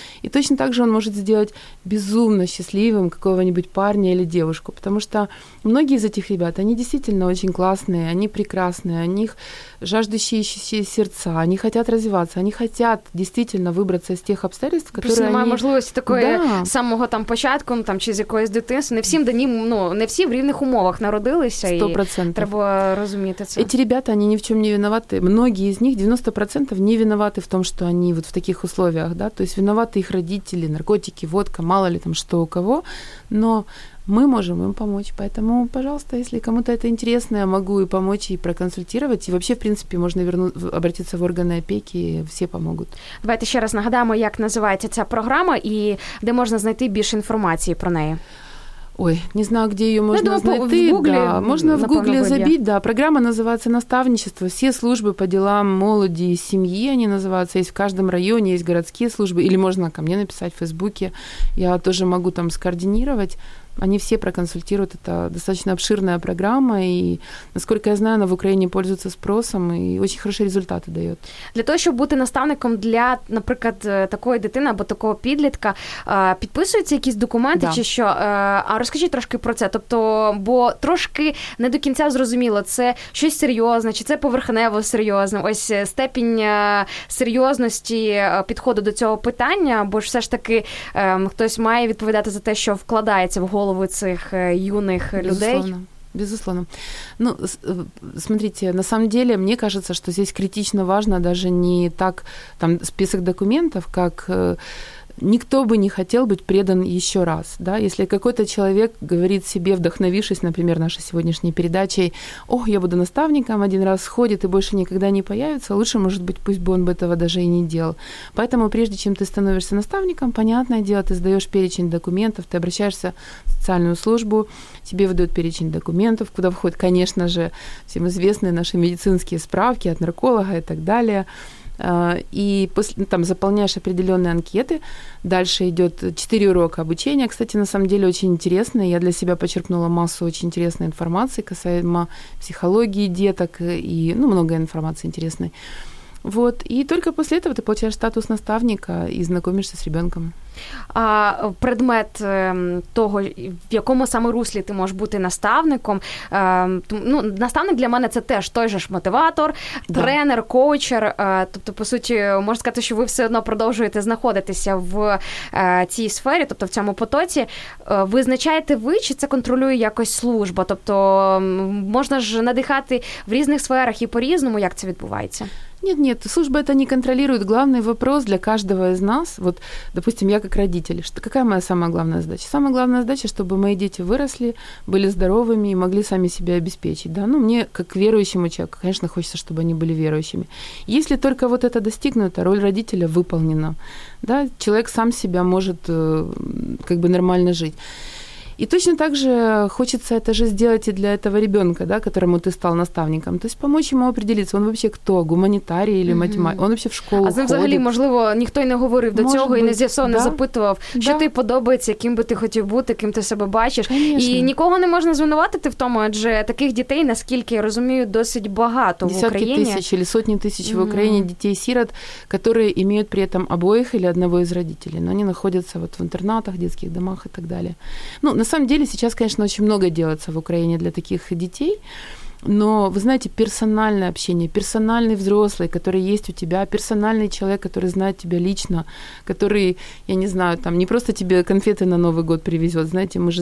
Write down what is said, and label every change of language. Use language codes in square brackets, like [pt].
[ru] И точно так же он может сделать безумно счастливым какого-нибудь парня или девушку, потому что многие из этих ребят, они действительно очень классные, они прекрасные, у них жаждущие ищущие сердца, они хотят развиваться, они хотят действительно выбраться из тех обстоятельств, которые просто они... [uk] Просто немає можливості такої самого там початку, ну, там, чи з якоїсь дитинства. Не всім, да, ну, не всі в рівних умовах народилися. 100%. Треба розуміти це. [ru] Эти ребята, они ни в чем не виноваты. Многие из них, 90%, не виноваты в том, что они вот в таких условиях, да, то есть виноваты их родители, наркотики, водка, мало ли там что у кого, но мы можем им помочь, поэтому, пожалуйста, если кому-то это интересно, я могу и помочь, и проконсультировать, и вообще, в принципе, можно обратиться в органы опеки, и все помогут. [uk] Давайте еще раз нагадаємо, як називається ця програма і де можна знайти більше інформації про неї. [ru] Ой, не знаю, где ее можно найти. В Гугле, да. Можно в Гугле забить, да. Программа называется «Наставничество». Все службы по делам молоди и семьи, они называются. Есть в каждом районе, есть городские службы. Или можно ко мне написать в Фейсбуке. Я тоже могу там скоординировать. Они все проконсультируют. Это достаточно обширная программа. И, насколько я знаю, она в Украине пользуется спросом и очень хорошие результаты дает. Для того, чтобы быть наставником для, например, [uk] такой дитини або такого підлітка, підписуються якісь документи, [ru] да, [uk] чи що? А розкажи трошки про це. Тобто, бо трошки не до кінця зрозуміло, це щось серйозне, чи це поверхнево серйозне. Ось степінь серйозності підходу до цього питання, бо ж все ж таки хтось має відповідати за те, що вкладається в голову цих юних людей. [ru] Безусловно. Ну, смотрите, на самом деле, мне кажется, что здесь критично важно даже не так там список документов, как никто бы не хотел быть предан еще раз, да, если какой-то человек говорит себе, вдохновившись, например, нашей сегодняшней передачей, ох, я буду наставником, один раз сходит и больше никогда не появится, лучше, может быть, пусть бы он этого даже и не делал. Поэтому прежде чем ты становишься наставником, понятное дело, ты сдаешь перечень документов, ты обращаешься в социальную службу, тебе выдают перечень документов, куда входят, конечно же, всем известные наши медицинские справки от нарколога и так далее. И после, там, заполняешь определенные анкеты, дальше идет 4 урока обучения, кстати, на самом деле очень интересные, я для себя почерпнула массу очень интересной информации касаемо психологии деток и, ну, много информации интересной. Вот, и только после этого ты получаешь статус наставника и знакомишься с ребенком. [uk] А предмет того, в якому саме руслі ти можеш бути наставником, ну, наставник для мене це теж той же ж мотиватор, [ru] да, [uk] тренер, коучер, тобто, по суті, можна сказати, що ви все одно продовжуєте знаходитися в цій сфері, тобто в цьому потоці. Визначаєте ви, чи це контролює якось служба? Тобто можна ж надихати в різних сферах і по-різному, як це відбувається? [ru] Нет, служба это не контролирует. Главный вопрос для каждого из нас, вот, допустим, я как родитель, что, какая моя самая главная задача? Самая главная задача, чтобы мои дети выросли, были здоровыми и могли сами себя обеспечить. Да? Ну, мне, как верующему человеку, конечно, хочется, чтобы они были верующими. Если только вот это достигнуто, роль родителя выполнена, да? Человек сам себя может как бы нормально жить. И точно так же хочется это же сделать и для этого ребенка, да, которому ты стал наставником. То есть помочь ему определиться, он вообще кто, гуманитарий или математик, он вообще в школу ходит. [uk] А з ним взагалі, можливо, ніхто й не говорив до цього і не з'ясував, не запитував, що тобі подобається, яким би ти хотів бути, ким ти себе бачиш. І нікого не можна звинуватити в тому, адже таких дітей, наскільки я розумію, досить багато в Україні. Десятки тисяч чи сотні тисяч в Україні дітей-сирот, які мають при цьому обоїх або одного з батьків, але вони знаходяться в інтернатах, дитячих домах і так далі. [ru] На самом деле сейчас, конечно, очень много делается в Украине для таких детей, но, вы знаете, персональное общение, персональный взрослый, который есть у тебя, персональный человек, который знает тебя лично, который, я не знаю, там, не просто тебе конфеты на Новый год привезет, знаете, мы же...